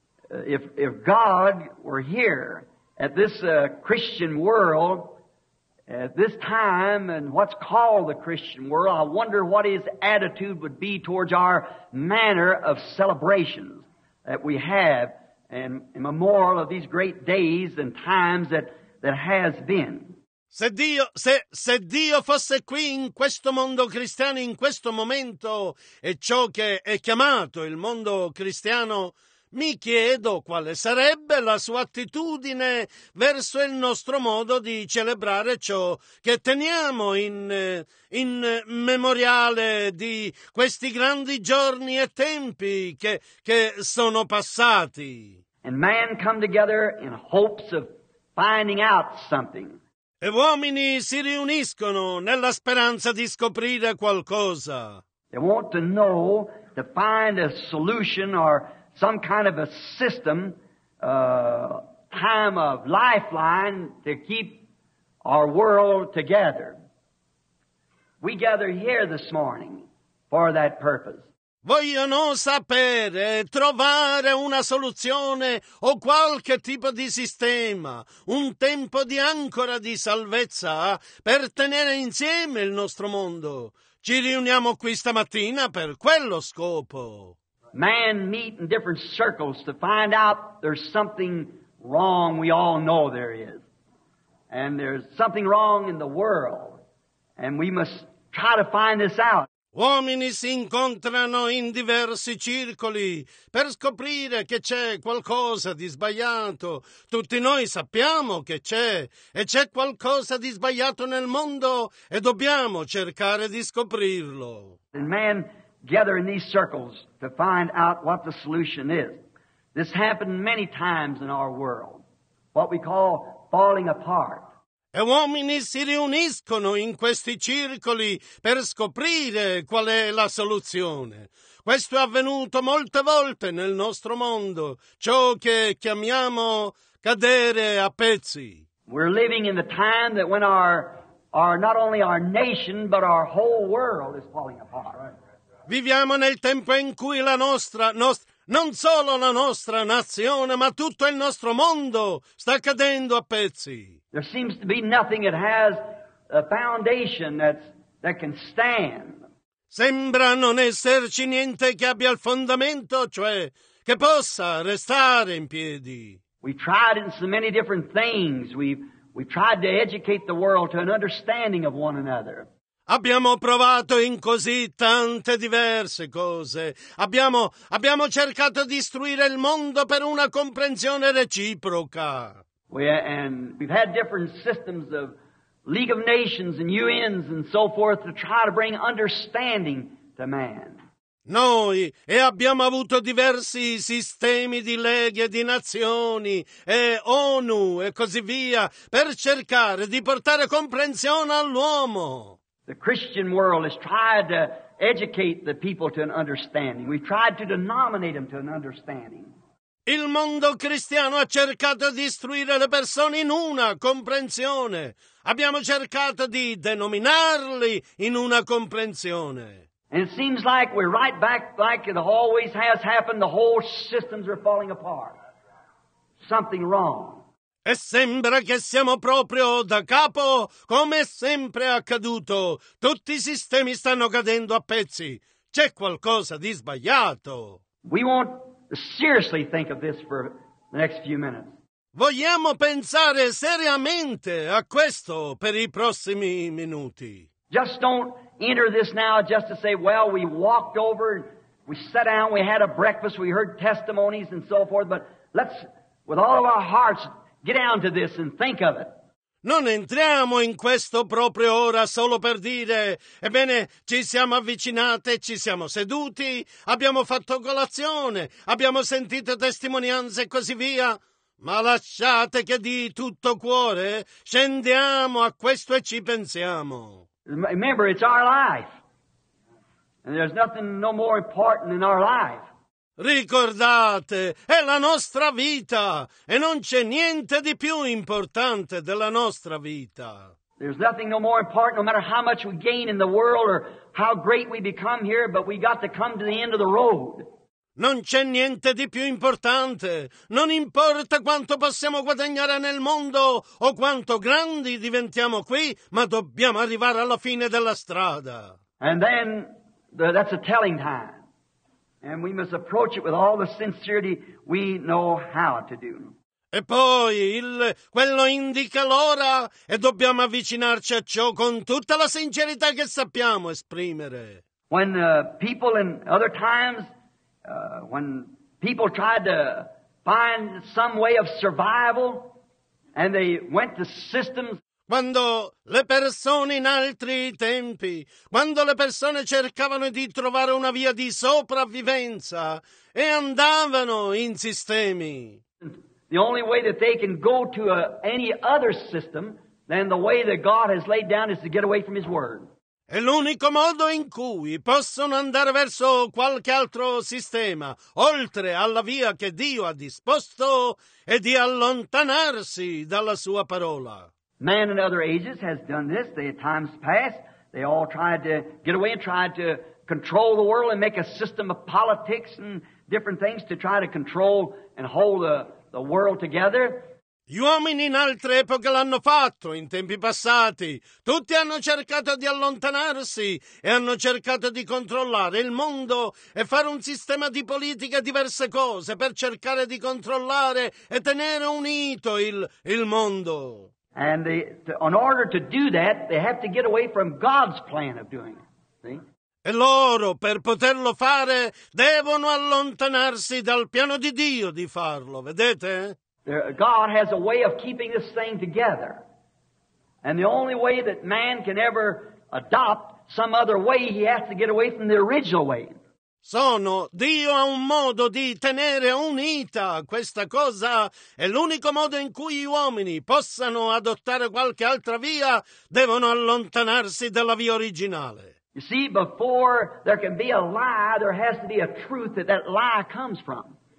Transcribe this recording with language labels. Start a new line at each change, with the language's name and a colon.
English: If God were here at this Christian world at this time and what's called the Christian world, I wonder what his attitude would be towards our manner of celebrations that we have and memorial of these great days and times that that has been.
Italian: Se Dio fosse qui in questo mondo cristiano in questo momento e ciò che è chiamato il mondo cristiano, mi chiedo quale sarebbe la sua attitudine verso il nostro modo di celebrare ciò che teniamo in memoriale di questi grandi giorni e tempi che sono passati.
English: And man come together in hopes of finding out something.
Italian: E uomini si riuniscono nella speranza di scoprire qualcosa.
English: They want to know, to find a solution or some kind of a system, time of lifeline to keep our world together. We gather here this morning for that purpose.
Italian: Vogliono sapere, trovare una soluzione o qualche tipo di sistema, un tempo di ancora di salvezza per tenere insieme il nostro mondo. Ci riuniamo qui stamattina per quello scopo.
English: Man meet in different circles to find out there's something wrong, we all know there is. And there's something wrong in the world. And we must try to find this out.
Italian: Uomini si incontrano in diversi circoli per scoprire che c'è qualcosa di sbagliato. Tutti noi sappiamo che c'è e c'è qualcosa di sbagliato nel mondo e dobbiamo cercare di scoprirlo.
English: And men gather in these circles to find out what the solution is. This happened many times in our world, what we call falling apart.
Italian: E uomini si riuniscono in questi circoli per scoprire qual è la soluzione. Questo è avvenuto molte volte nel nostro mondo, ciò che chiamiamo cadere a pezzi.
English: We're living in the time that when our not only our nation but our whole world is falling apart.
Italian: Viviamo nel tempo in cui la nostra non solo la nostra nazione, ma tutto il nostro mondo sta cadendo a pezzi.
English: There seems to be nothing that has a foundation that can stand.
Italian: Sembra non esserci niente che abbia il fondamento, cioè che possa restare in piedi.
English: We tried in so many different things. We tried to educate the world to an understanding of one another.
Italian: Abbiamo provato in così tante diverse cose. Abbiamo cercato di istruire il mondo per una comprensione reciproca.
English: And we've had different systems of League of Nations and UNs and so forth to try to bring understanding to man.
Italian: Noi e abbiamo avuto diversi sistemi di leghe di nazioni e ONU e così via per cercare di portare comprensione all'uomo.
English: The Christian world has tried to educate the people to an understanding. We've tried to denominate them to an understanding.
Italian: Il mondo cristiano ha cercato di istruire le persone in una comprensione. Abbiamo cercato di denominarli in una comprensione.
English: And it seems like we're right back like it always has happened. The whole systems are falling apart. Something wrong.
Italian: E sembra che siamo proprio da capo, come è sempre accaduto. Tutti i sistemi stanno cadendo a pezzi. C'è qualcosa di sbagliato.
English: We won't seriously think of this for the next few minutes.
Italian: Vogliamo pensare seriamente a questo per i prossimi minuti.
English: Just don't enter this now just to say, well, we walked over, we sat down, we had a breakfast, we heard testimonies and so forth, but let's with all of our hearts, get down to this and think of it.
Italian: Non entriamo in questo proprio ora solo per dire, ebbene, ci siamo avvicinate, ci siamo seduti, abbiamo fatto colazione, abbiamo sentito testimonianze e così via. Ma lasciate che di tutto cuore scendiamo a questo e ci pensiamo.
English: Remember, it's our life. And there's nothing no more important in our life.
Italian: Ricordate, è la nostra vita e non c'è niente di più importante della nostra vita.
English: There's nothing no more important, no matter how much we gain in the world or how great we become here, but we got to come to the end of the road.
Italian: Non c'è niente di più importante. Non importa quanto possiamo guadagnare nel mondo o quanto grandi diventiamo qui, ma dobbiamo arrivare alla fine della strada.
English: And then that's a telling time. And we must approach it with all the sincerity we know how to do.
Italian: E poi quello indica l'ora e dobbiamo avvicinarci a ciò con tutta la sincerità che sappiamo esprimere.
English: When people in other times when people tried to find some way of survival and they went to systems.
Italian: Quando le persone in altri tempi, quando le persone cercavano di trovare una via di sopravvivenza e andavano in sistemi.
English: The only way that they can go to any other system than the way that God has laid down is to get away from His Word.
Italian: E l'unico modo in cui possono andare verso qualche altro sistema, oltre alla via che Dio ha disposto, è di allontanarsi dalla sua parola.
English: Man in other ages has done this. They at times past, they all tried to get away and tried to control the world and make a system of politics and different things to try to control and hold the world together.
Italian: Gli uomini in altre epoche l'hanno fatto, in tempi passati. Tutti hanno cercato di allontanarsi e hanno cercato di controllare il mondo e fare un sistema di politica e diverse cose per cercare di controllare e tenere unito il mondo.
English: And in order to do that, they have to get away from God's plan of doing it. See?
Italian: E loro, per poterlo fare, devono allontanarsi dal piano di Dio di farlo, vedete?
English: God has a way of keeping this thing together. And the only way that man can ever adopt some other way, he has to get away from the original way.
Italian: Dio ha un modo di tenere unita questa cosa. E l'unico modo in cui gli uomini possano adottare qualche altra via, devono allontanarsi dalla via originale.
English: You see, before there can be a lie, there has to be a truth that lie comes from.